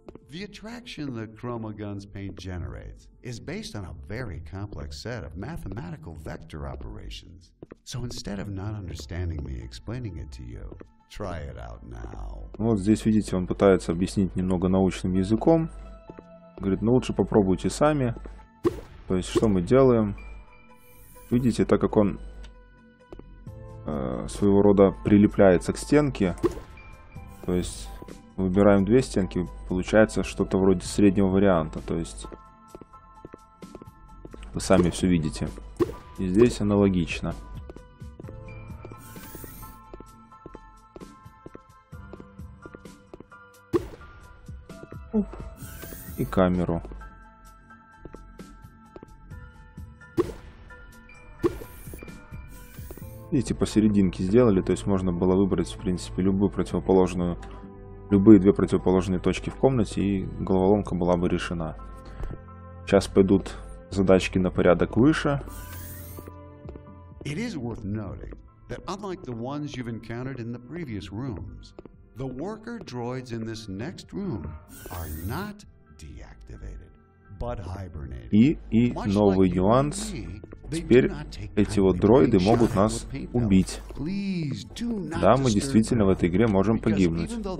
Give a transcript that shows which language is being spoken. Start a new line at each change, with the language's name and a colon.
English: The attraction the Chroma Guns paint generates is based on a very complex set of mathematical vector operations. So instead of not understanding me explaining it to you, try it out now.
Russian: Вот здесь видите, он пытается объяснить немного научным языком. Говорит, ну лучше попробуйте сами. То есть, что мы делаем? Видите, так как он своего рода прилепляется к стенке, то есть, выбираем две стенки, получается что-то вроде среднего варианта. То есть, вы сами все видите. И здесь аналогично. И камеру. Видите, посерединке сделали, то есть можно было выбрать, в принципе, любые две противоположные точки в комнате, и головоломка была бы решена. Сейчас пойдут задачки на порядок выше.
English: It is worth noting that unlike the ones you've encountered in the previous rooms, the worker droids in this next room are not deactivated, but hibernated.
Russian: И новый нюанс. Теперь эти вот дроиды могут нас убить. Да, мы действительно в этой игре можем погибнуть.